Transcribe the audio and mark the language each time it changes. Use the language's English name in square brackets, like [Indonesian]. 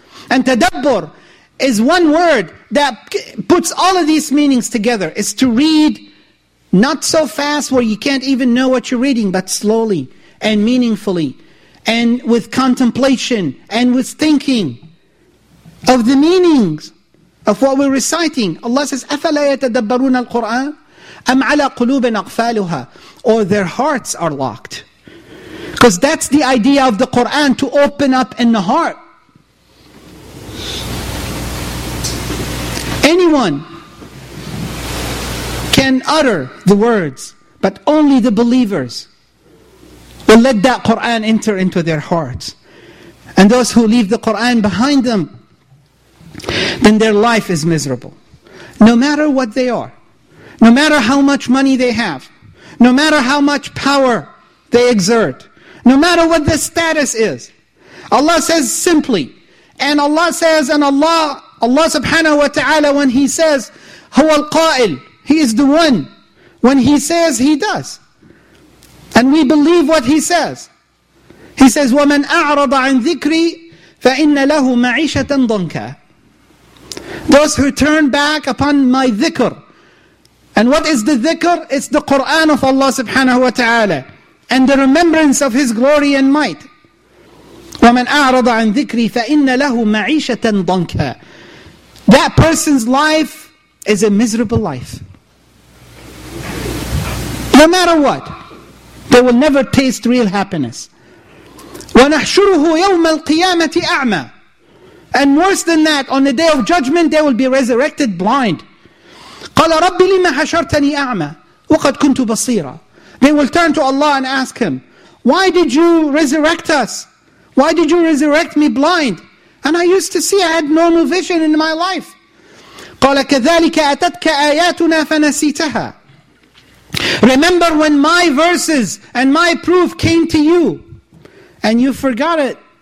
[English] And تَدَبُّر is one word that puts all of these meanings together. It's to read not so fast where you can't even know what you're reading, but slowly and meaningfully, and with contemplation, and with thinking of the meanings of what we're reciting. [Arabic] Allah says, أَفَلَا يَتَدَبَّرُونَ الْقُرْآنَ أَمْ عَلَىٰ قُلُوبٍ أَقْفَالُهَا. [English] Or their hearts are locked. Because that's the idea of the Qur'an, to open up in the heart. Anyone can utter the words, but only the believers will let that Qur'an enter into their hearts. And those who leave the Qur'an behind them, then their life is miserable. No matter what they are, no matter how much money they have, no matter how much power they exert, no matter what the status is, Allah says simply, and Allah says, and Allah subhanahu wa ta'ala, when He says, [Arabic] هو القائل, [English] He is the one, when He says, He does. And we believe what He says. [Arabic] He says, وَمَنْ أَعْرَضَ عَنْ ذِكْرِي فَإِنَّ لَهُ مَعِيشَةً ضَنْكَ. [English] Those who turn back upon my dhikr. And what is the dhikr? It's the Qur'an of Allah subhanahu wa ta'ala. And the remembrance of His glory and might. [Arabic] وَمَنْ أَعْرَضَ عَنْ ذِكْرِي فَإِنَّ لَهُ مَعِيشَةً ضَنْكَ. [English] That person's life is a miserable life. No matter what, they will never taste real happiness. [Arabic] وَنَحْشُرُهُ يَوْمَ الْقِيَامَةِ أَعْمَى. [English] And worse than that, on the Day of Judgment, they will be resurrected blind. [Arabic] قَالَ رَبِّ لِمَ حَشَرْتَنِي أَعْمَى وَقَدْ كُنْتُ بَصِيرًا. [English] They will turn to Allah and ask Him, why did You resurrect us? Why did You resurrect me blind? And I used to see, I had normal vision in my life. [Arabic] قَالَ كَذَلِكَ أَتَتْكَ آيَاتُنَا فَنَسِيتَهَا. [English] Remember when my verses and my proof came to you and you forgot it.